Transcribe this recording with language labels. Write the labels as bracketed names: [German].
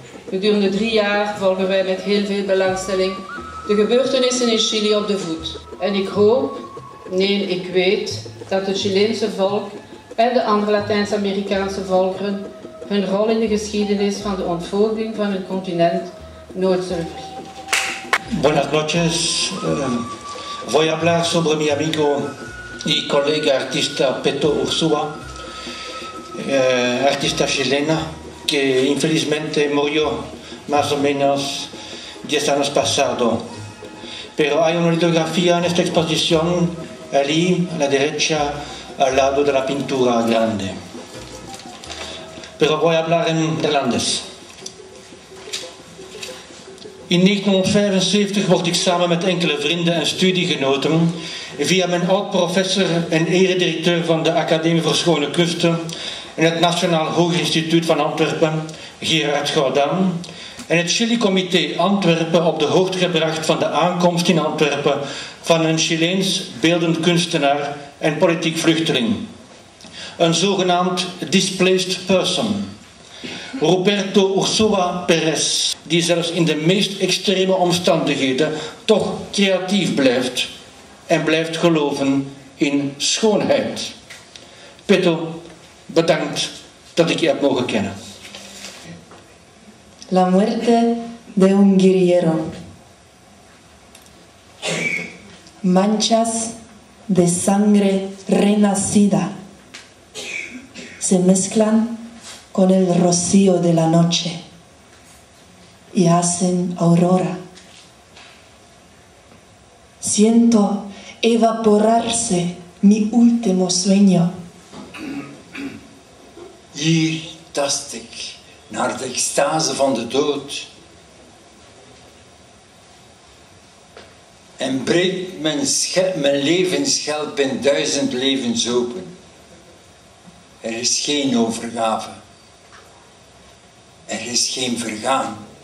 [Dutch] Gedurende 3 jaar volgen wij met heel veel belangstelling de gebeurtenissen in Chili op de voet. En ik hoop, nee, ik weet, dat het Chileense volk en de andere Latijns-Amerikaanse volkeren hun rol in de geschiedenis van de ontvolging van het continent nooit zullen vergeten. [Spanish] Buenas noches. Voy a hablar sobre mi amigo y colega artista Peto Ursúa, artista chilena, que infelizmente murió más o menos 10 años pasado. Pero hay una litografía en esta exposición, allí, a la derecha, al lado de la pintura grande. Pero voy a hablar en neerlandés. [Dutch] In 1975 word ik samen met enkele vrienden en studiegenoten via mijn oud-professor en eredirecteur van de Academie voor Schone Kusten en het Nationaal Hoger Instituut van Antwerpen, Gerard Gaudin, en het Chili-comité Antwerpen op de hoogte gebracht van de aankomst in Antwerpen van een Chileens beeldend kunstenaar en politiek vluchteling. Een zogenaamd displaced person. Roberto Ursúa Pérez, die zelfs in de meest extreme omstandigheden toch creatief blijft en blijft geloven in schoonheid. Peto, bedankt dat ik je heb mogen kennen. [Spanish] La muerte de un guerrero. Manchas de sangre renacida se mezclan con el rocío de la noche y hacen aurora. Siento evaporarse mi último sueño. [Dutch] Hier tast ik naar de extase van de dood en breekt mijn levensschelp in 1000 levens open. Er is geen overgave. Er is geen vergaan.